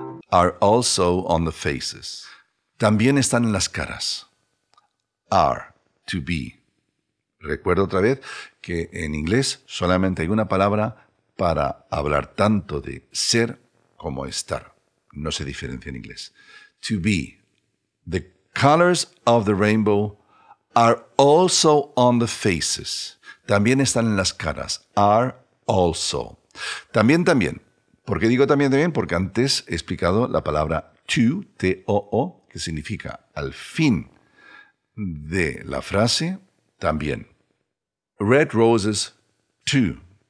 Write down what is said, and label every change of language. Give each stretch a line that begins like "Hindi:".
English: Are also on the faces.
Spanish: También están en las caras. Are, to be. Recuerdo otra vez que en inglés solamente hay una palabra para hablar tanto de ser como estar. No se diferencia en inglés.
English: To be. The colors of the rainbow are also on the faces.
Spanish: También están en las caras. Are also. También, también. ¿Por qué digo también, también? Porque antes he explicado la palabra to, T-O-O, que significa al fin. de la frase también.
English: Red roses too.